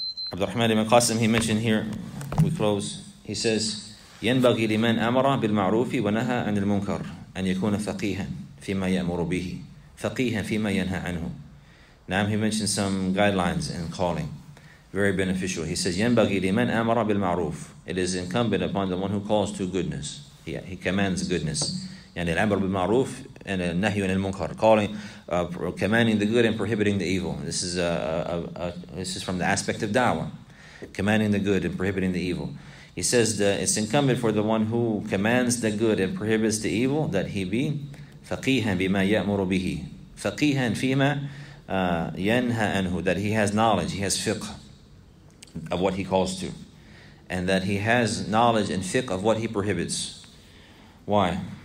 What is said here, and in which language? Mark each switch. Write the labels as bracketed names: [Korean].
[English] Abdul Rahman ibn Qasim, he mentioned here, we close. He says, [Arabic] يَنْبَغِي لِمَنْ أَمَرَ بِالْمَعْرُوفِ وَنَهَى عَنِ الْمُنْكَرِ أَنْ يَكُونَ فَقِيهًا فِيمَا يَأْمُرُ بِهِ فَقِيهًا فِيمَا يَنْهَى عَنْهُ. [English] Now he mentioned some guidelines in calling. Very beneficial. He says, [Arabic] يَنْبَغِي لِمَنْ أَمَرَ بِالْمَعْرُوفِ. [English] It is incumbent upon the one who calls to goodness. He commands goodness. [Arabic] يعني الأمر بالمعروف [English] and [Arabic] النهي عن المنكر, [English] calling, commanding the good and prohibiting the evil. This is this is from the aspect of da'wah, commanding the good and prohibiting the evil. He says that it's incumbent for the one who commands the good and prohibits the evil that he be [Arabic] فقيهًا بما يأمر به فقيهًا فيما ينهى عنه, [English] that he has knowledge, he has fiqh of what he calls to, and that he has knowledge and fiqh of what he prohibits. Why?